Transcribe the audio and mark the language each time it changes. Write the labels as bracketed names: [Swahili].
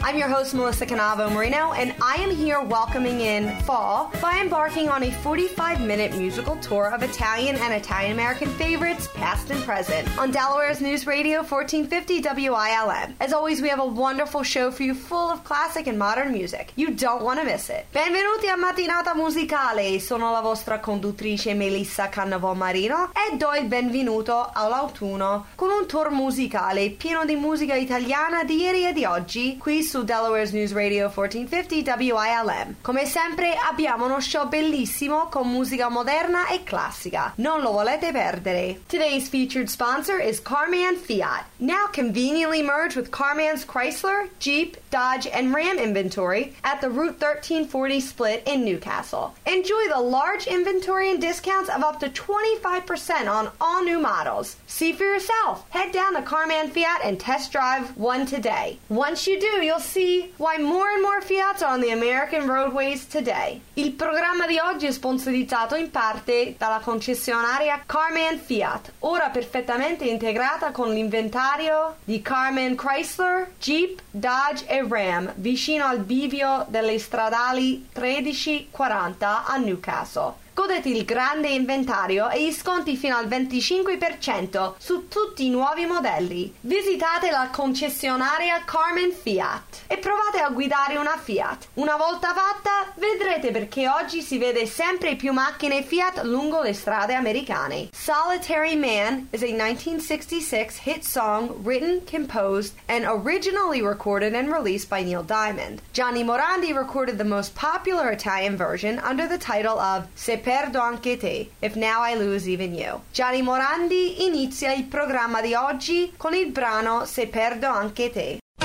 [English] I'm your host, Melissa Canavo Marino, and I am here welcoming in fall by embarking on a 45-minute musical tour of Italian and Italian-American favorites, past and present, on Delaware's News Radio 1450 WILM. As always, we have a wonderful show for you full of classic and modern music. You don't want to miss it. [Italian] Benvenuti a Mattinata Musicale. Sono la vostra conduttrice Melissa Cannavò Marino e do il benvenuto all'autunno con un tour musicale pieno di musica italiana di ieri e di oggi qui su Delaware's News Radio 1450 WILM. Come sempre abbiamo uno show bellissimo con musica moderna e classica. Non lo volete perdere. [English] Today's featured sponsor is Carman Fiat. Now conveniently merged with Carman's Chrysler, Jeep, Dodge, and Ram inventory at the Route 1340 split in Newcastle. Enjoy the large inventory and discounts of up to 25% on all new models. See for yourself. Head down to Carman Fiat and test drive one today. Once you do, you'll see why more and more Fiats are on the American roadways today. [Italian] Il programma di oggi è sponsorizzato in parte dalla concessionaria Carman Fiat, ora perfettamente integrata con l'inventario di Carman Chrysler, Jeep, Dodge e Ram, vicino al bivio delle stradali 1340 a Newcastle. Godete il grande inventario e gli sconti fino al 25% su tutti i nuovi modelli. Visitate la concessionaria Carman Fiat e provate a guidare una Fiat. Una volta fatta, vedrete perché oggi si vede sempre più macchine Fiat lungo le strade americane. [English] Solitary Man is a 1966 hit song written, composed, and originally recorded and released by Neil Diamond. Johnny Morandi recorded the most popular Italian version under the title of Se Perdo anche te, if now I lose even you. [Italian] Gianni Morandi inizia il programma di oggi con il brano Se Perdo anche te.